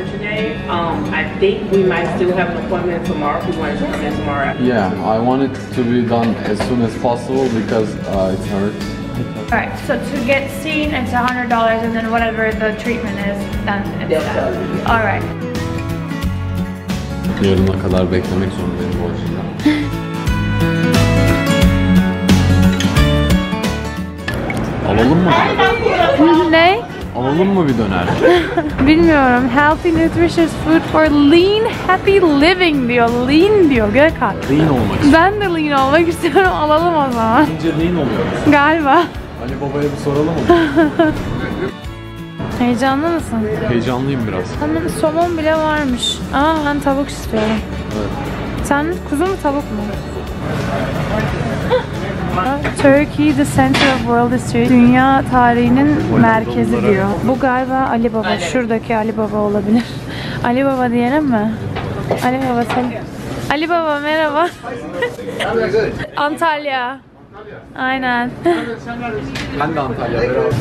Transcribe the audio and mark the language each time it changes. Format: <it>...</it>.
<en>I think we might still have an appointment tomorrow if you want to come in tomorrow. Yeah, I want it to be done as soon as possible because it hurts. Alright, so to get seen it's $100 and then whatever the treatment is, then it's done. Alright.</en> <tr>Yarına kadar beklemek zorundayım bu açıdan. Alalım mı? Ne? Alalım mı bir döner? Bilmiyorum.</tr> <en>Healthy, nutritious food for lean, happy living</en> <tr>diyor. Lean diyor Gökhan. Lean olmak istiyorum. Ben de lean olmak istiyorum. Alalım o zaman. Deyince lean oluyoruz. Galiba. Ali Baba'ya bir soralım mı? Heyecanlı mısın? Heyecanlıyım biraz. Hani somon bile varmış. Ama ben tavuk istiyorum. Evet. Sen kuzu mu tavuk mu?</tr> <en>Turkey, the center of world history.</en> <tr>Dünya tarihinin merkezi diyor. Bu galiba Ali Baba. Şuradaki Ali Baba olabilir. Ali Baba diyelim mi? Ali Baba selam. Ali Baba merhaba. Antalya. Aynen. Ben de Antalya merhaba.</tr>